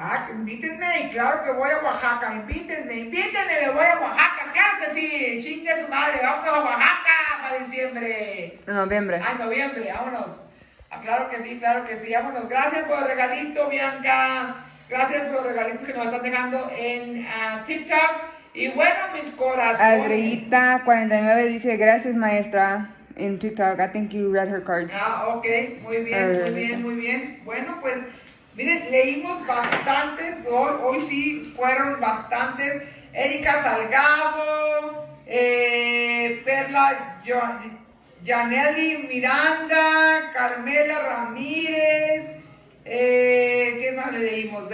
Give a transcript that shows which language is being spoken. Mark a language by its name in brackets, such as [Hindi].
[Spanish] Invítenme, claro que voy a Oaxaca, invítenme, me voy a Oaxaca, claro que sí, chingue su madre, vamos a Oaxaca para diciembre. En noviembre. En noviembre, vámonos. Claro que sí, vámonos. Gracias por el regalito, Bianca, gracias por los regalitos que nos están dejando en TikTok. Y bueno, mis corazones. Adriita 49 dice, gracias maestra. [English] En TikTok, I think you read her card. [Spanish] Ok, muy bien, muy bien, muy bien. Bueno, pues, miren, leímos bastantes, hoy sí fueron bastantes. Erika Salgado, Perla Janelli Miranda, Carmela Ramírez, ¿qué más leímos?